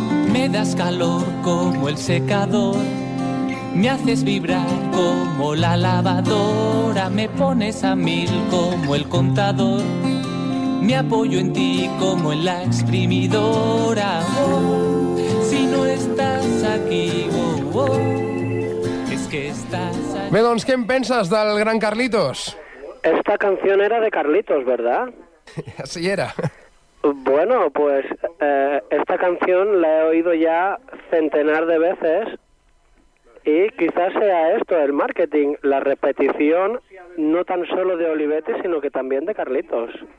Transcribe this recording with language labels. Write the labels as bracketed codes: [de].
[es] Me das calor como el secador, me haces vibrar como la lavadora, me pones a mil como el contador, me apoyo en ti como en la exprimidora. Oh, si no estás aquí, oh, oh. [ca] Bé, doncs, què en penses del gran Carlitos? [es] Esta canción era de Carlitos, ¿verdad? Así era. Bueno, pues esta canción la he oído ya centenar de veces y quizás sea esto, el marketing, la repetición, no tan solo de Olivetti, sino que también de Carlitos.